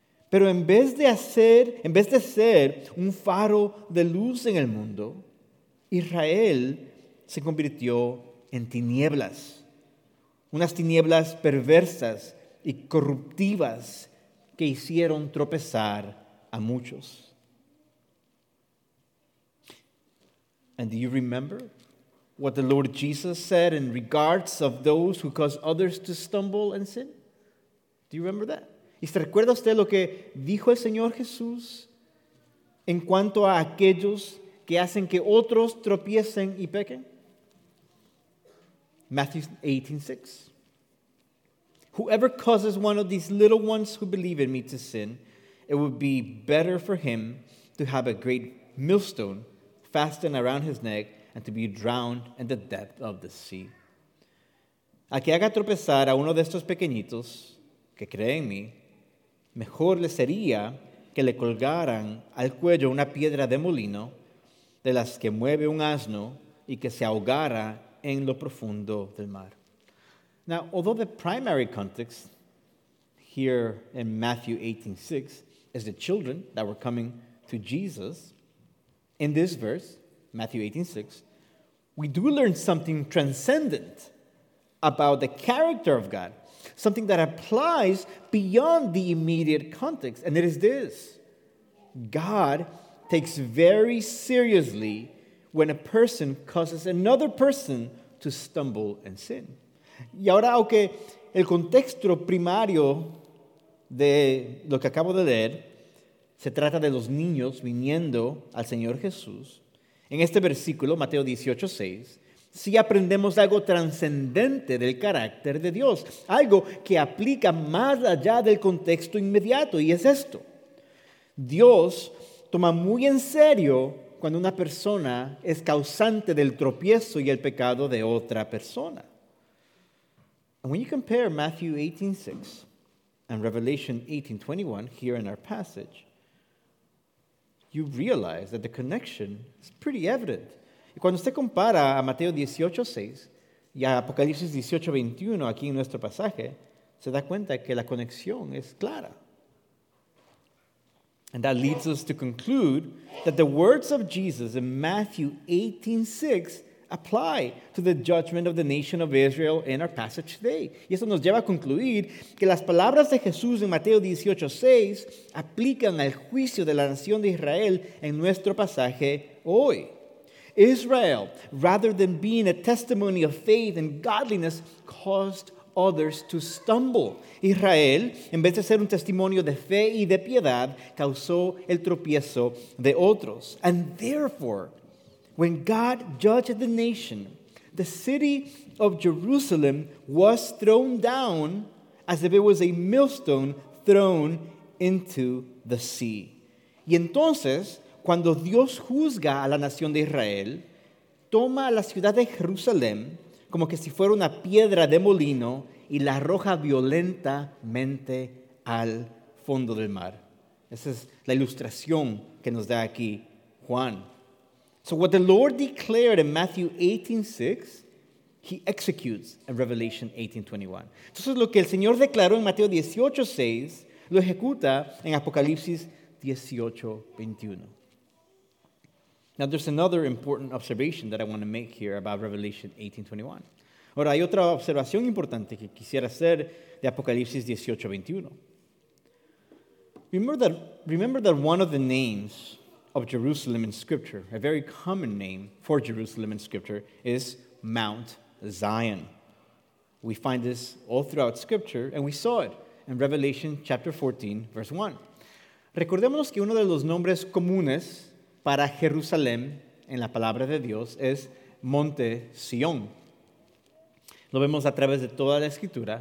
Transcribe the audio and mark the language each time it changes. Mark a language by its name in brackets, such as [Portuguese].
[Spanish] Pero en vez de ser un faro de luz en el mundo, Israel se convirtió en tinieblas. Unas tinieblas perversas y corruptivas que hicieron tropezar a muchos. [English] And do you remember what the Lord Jesus said in regards of those who cause others to stumble and sin? Do you remember that? [Spanish] ¿Y se recuerda usted lo que dijo el Señor Jesús en cuanto a aquellos que hacen que otros tropiecen y pequen? [English] Matthew 18:6. Whoever causes one of these little ones who believe in me to sin, it would be better for him to have a great millstone fastened around his neck and to be drowned in the depth of the sea. [Spanish] A que haga tropezar a uno de estos pequeñitos que cree en mí, mejor le sería que le colgaran al cuello una piedra de molino de las que mueve un asno y que se ahogara en lo profundo del mar. [English] Now, although the primary context here in Matthew 18:6 is the children that were coming to Jesus, in this verse, Matthew 18:6, we do learn something transcendent about the character of God, something that applies beyond the immediate context, and it is this: God takes very seriously when a person causes another person to stumble and sin. [Spanish] Y ahora, aunque el contexto primario de lo que acabo de leer se trata de los niños viniendo al Señor Jesús, en este versículo, Mateo 18:6, sí aprendemos algo trascendente del carácter de Dios, algo que aplica más allá del contexto inmediato, y es esto: Dios toma muy en serio cuando una persona es causante del tropiezo y el pecado de otra persona. [English] And when you compare Matthew 18:6 and Revelation 18:21 here in our passage, you realize that the connection is pretty evident. [Spanish] Y cuando usted compara a Mateo 18:6 y a Apocalipsis 18:21 aquí en nuestro pasaje, se da cuenta que la conexión es clara. [English] And that leads us to conclude that the words of Jesus in Matthew 18:6 apply to the judgment of the nation of Israel in our passage today. [Spanish] Y eso nos lleva a concluir que las palabras de Jesús en Mateo 18:6 aplican al juicio de la nación de Israel en nuestro pasaje hoy. [English] Israel, rather than being a testimony of faith and godliness, caused others to stumble. [Spanish] Israel, en vez de ser un testimonio de fe y de piedad, causó el tropiezo de otros. [English] And therefore, when God judged the nation, the city of Jerusalem was thrown down as if it was a millstone thrown into the sea. [Spanish] Y entonces, cuando Dios juzga a la nación de Israel, toma a la ciudad de Jerusalén como que si fuera una piedra de molino y la arroja violentamente al fondo del mar. Esa es la ilustración que nos da aquí Juan. [English] So what the Lord declared in Matthew 18:6, he executes in Revelation 18:21. [Spanish] Entonces lo que el Señor declaró en Mateo 18:6 lo ejecuta en Apocalipsis 18:21. [English] Now there's another important observation that I want to make here about Revelation 18:21. [Spanish] Ahora hay otra observación importante que quisiera hacer de Apocalipsis 18:21. [English] Remember that one of the names of Jerusalem in Scripture, a very common name for Jerusalem in Scripture, is Mount Zion. We find this all throughout Scripture, and we saw it in Revelation chapter 14, verse 1. [Spanish] Recordémonos que uno de los nombres comunes para Jerusalén en la palabra de Dios es Monte Sion. Lo vemos a través de toda la Escritura.